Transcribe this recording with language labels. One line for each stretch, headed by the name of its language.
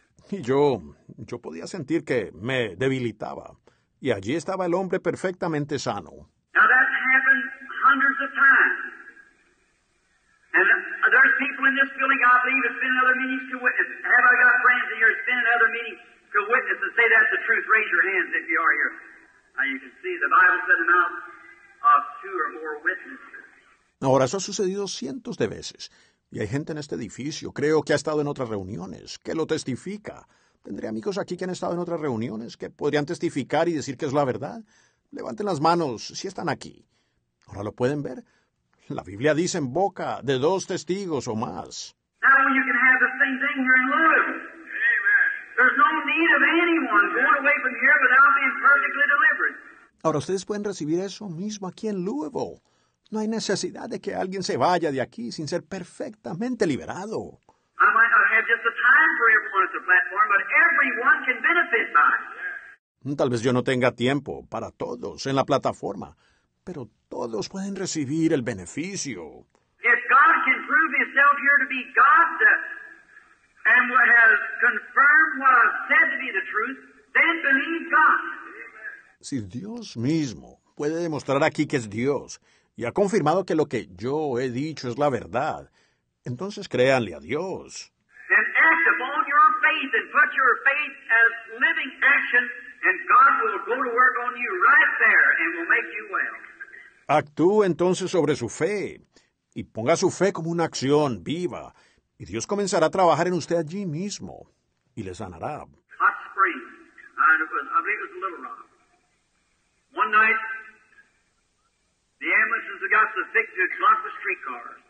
Spanish: Y yo podía sentir que me debilitaba. Y allí estaba el hombre perfectamente sano.
English: Now that's happened hundreds of times. And there's people in this building, I believe, that's been in other meetings to witness. Have I got friends in here that's been in other meetings? To witness and say that's the truth, raise your hands if you are here. Now you can see the Bible said the mouth of two or more witnesses.
Spanish: Ahora, eso ha sucedido cientos de veces. Y hay gente en este edificio, creo que ha estado en otras reuniones, que lo testifica. Tendré amigos aquí que han estado en otras reuniones, que podrían testificar y decir que es la verdad. Levanten las manos si están aquí. Ahora lo pueden ver. La Biblia dice en boca de dos testigos o más.
English: Now you can have the same thing here in Louisville. There's no need of anyone going away from here without being perfectly delivered.
Spanish: Ahora ustedes pueden recibir eso mismo aquí en Louisville. No hay necesidad de que alguien se vaya de aquí sin ser perfectamente liberado.
English: I might not have just the time for everyone at the platform, but everyone can benefit by it.
Spanish: Tal vez yo no tenga tiempo para todos en la plataforma, pero todos pueden recibir el beneficio.
English: If God can prove himself here to be God, and what has confirmed what I've said to be the truth, then believe God.
Spanish: Si Dios mismo puede demostrar aquí que es Dios, y ha confirmado que lo que yo he dicho es la verdad, entonces créanle a Dios.
English: And act upon your faith and put your faith as living action, and God will go to work on you right there and will make you well.
Spanish: Actúe entonces sobre su fe y ponga su fe como una acción viva, y Dios comenzará a trabajar en usted allí mismo y le sanará.
English: Hot spring. I believe it was a little rock. One night, the ambulances had got sufficient to block the streetcar.